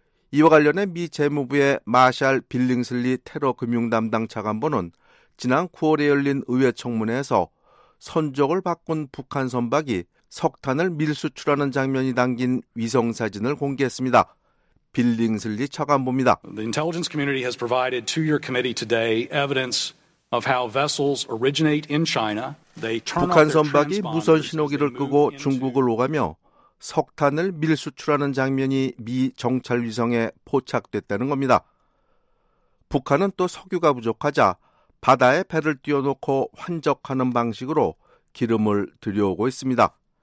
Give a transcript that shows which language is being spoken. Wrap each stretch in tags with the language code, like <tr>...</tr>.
<ko>이와 관련해 미 재무부의 마샬 빌링슬리 테러 금융 담당 차관보는 지난 9월에 열린 의회 청문회에서 선적을 바꾼 북한 선박이 석탄을 밀수출하는 장면이 담긴 위성사진을 공개했습니다. 빌링슬리 차관보입니다.</ko> <en>The intelligence community has provided to your committee today evidence of how vessels originate in China. They turn</en> <ko>북한 선박이 무선 신호기를 끄고 중국을 오가며 석탄을 밀수출하는 장면이 미 정찰 위성에 포착됐다는 겁니다. 북한은 또 석유가 부족하자 바다에 배를 띄워놓고 환적하는 방식으로 기름을 들여오고 있습니다.</ko>